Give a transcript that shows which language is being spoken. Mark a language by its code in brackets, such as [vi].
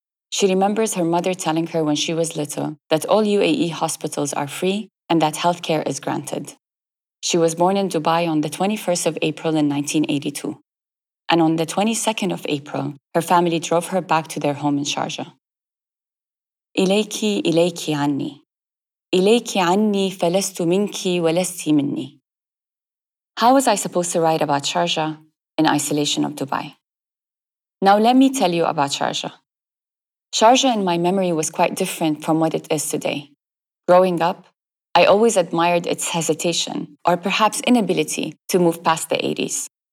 [en] She remembers her mother telling her when she was little that all UAE hospitals are free and that healthcare is granted. She was born in Dubai on the 21st of April in 1982. And on the 22nd of April, her family drove her back to their home in Sharjah. [ar] إليكي إليكي عني إليكي عني فلست منكي ولستي مني. [en] How was I supposed to write about Sharjah in isolation of Dubai? Now let me tell you about Sharjah. Sharjah in my memory was quite different from what it is today. Growing up, I always admired its hesitation or perhaps inability to move past the 80s.